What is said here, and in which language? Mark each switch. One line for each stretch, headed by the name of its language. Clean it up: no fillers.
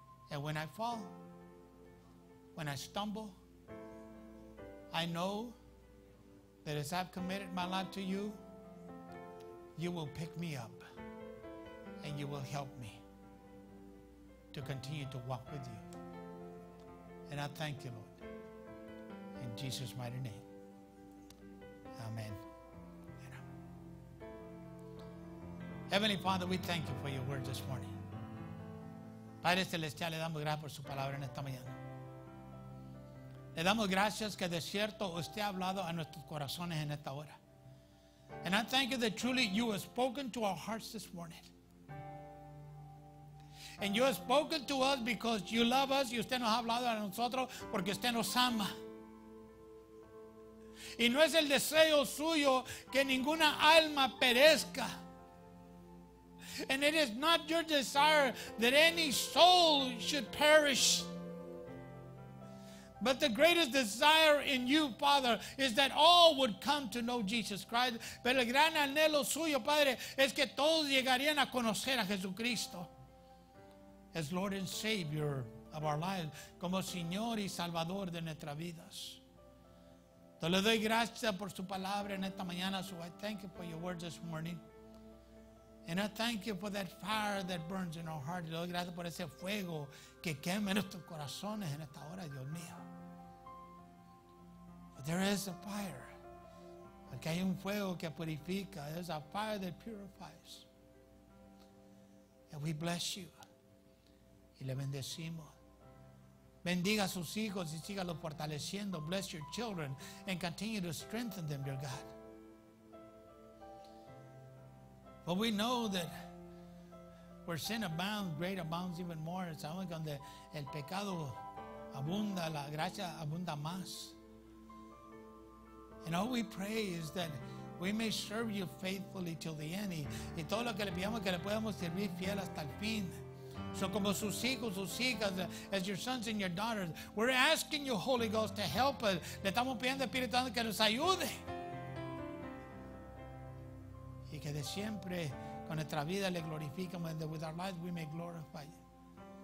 English: And when I fall, when I stumble, I know that as I've committed my life to you, you will pick me up and you will help me to continue to walk with you. And I thank you, Lord, in Jesus' mighty name. Amen. Heavenly Father, we thank you for your word this morning.
Spanish: Padre Celestial, le damos gracias por su palabra en esta mañana. Le damos gracias que de cierto usted ha hablado a nuestros corazones en esta hora.
English: And I thank you that truly you have spoken to our hearts this morning. And you have spoken to us because you love us.
Spanish: Y usted nos ha hablado a nosotros porque usted nos ama. Y no es el deseo suyo que ninguna alma perezca.
English: And it is not your desire that any soul should perish. But the greatest desire in you, Father, is that all would come to know Jesus Christ.
Spanish: Pero el gran anhelo suyo, Padre, es que todos llegarían a conocer a Jesucristo.
English: as Lord and Savior of our lives,
Spanish: como Señor y Salvador de nuestras vidas. Te le doy gracias por su palabra en esta mañana.
English: So I thank you for your word this morning. And I thank you for that fire that burns in our heart.
Spanish: Le doy gracias por ese fuego que quema en nuestros corazones en esta hora, Dios mío.
English: But there is a fire.
Spanish: Porque hay un fuego que purifica.
English: There's a fire that purifies. And we bless you.
Spanish: Y le bendecimos. Bendiga a sus hijos y sígalos fortaleciendo.
English: Bless your children and continue to strengthen them, dear God. But we know that where sin abounds, great abounds even more. It's only
Spanish: donde el pecado abunda, la gracia abunda más.
English: And all we pray is that we may serve you faithfully till the end.
Spanish: Y todo lo que le pidamos que le podamos servir fiel hasta el fin.
English: So
Spanish: como sus hijos, sus hijas,
English: as your sons and your daughters, we're asking you, Holy Ghost, to help us.
Spanish: Le estamos pidiendo, Espíritu Santo, que nos ayude. Y que de siempre, con nuestra vida, le glorificamos,
English: and that with our lives, we may glorify you.